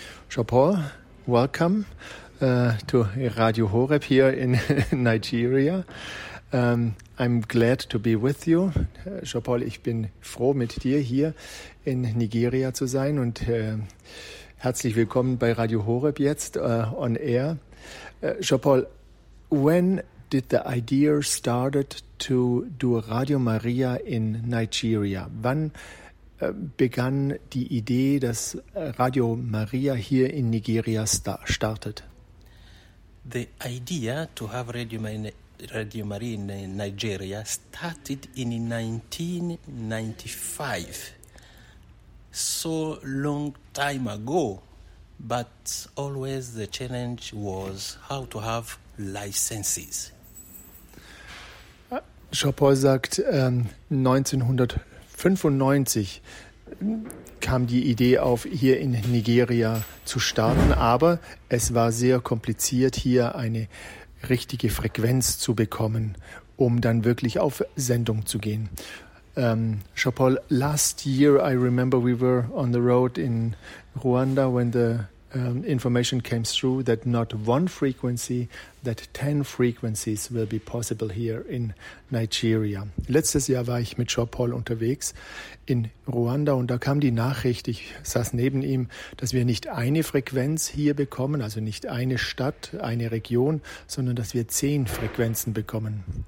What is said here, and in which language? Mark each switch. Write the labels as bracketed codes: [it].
[en] Jean-Paul, welcome to Radio Horeb here in Nigeria. I'm glad to be with you. [de] Jean-Paul, ich bin froh, mit dir hier in Nigeria zu sein und herzlich willkommen bei Radio Horeb jetzt on air. [en] Jean-Paul, when did the idea started to do Radio Maria in Nigeria? [de] Wann begann die Idee, dass Radio Maria hier in Nigeria startet? [en] The idea to have Radio Maria in Nigeria started in 1995. So long time ago, but always the challenge was how to have licenses. [de] Jean-Paul sagt, 1995 kam die Idee auf, hier in Nigeria zu starten, aber es war sehr kompliziert, hier eine richtige Frequenz zu bekommen, um dann wirklich auf Sendung zu gehen. [en] Jean-Paul, last year I remember we were on the road in Rwanda when the information came through that not one frequency, that 10 frequencies will be possible here in Nigeria. [de] Letztes Jahr war ich mit Jean-Paul unterwegs in Ruanda und da kam die Nachricht, ich saß neben ihm, dass wir nicht eine Frequenz hier bekommen, also nicht eine Stadt, eine Region, sondern dass wir 10 Frequenzen bekommen.